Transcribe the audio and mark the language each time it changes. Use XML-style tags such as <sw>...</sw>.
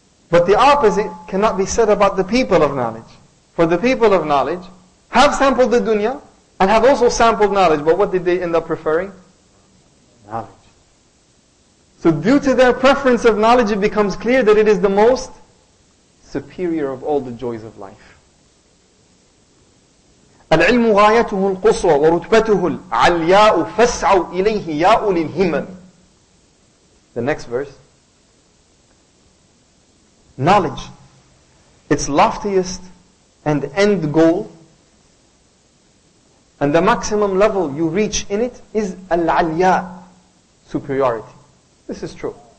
<en>But the opposite cannot be said about the people of knowledge. For the people of knowledge have sampled the dunya and have also sampled knowledge. But what did they end up preferring? Knowledge. So due to their preference of knowledge, it becomes clear that it is the most superior of all the joys of life.</en> <ar>العلم غايته القصوى ورتبته العلياء فاسعوا إليه يا أولي الهمم.</ar> <en>The next verse. Knowledge, its loftiest and end goal, and the maximum level you reach in it is العلياء, superiority. This is true.</en>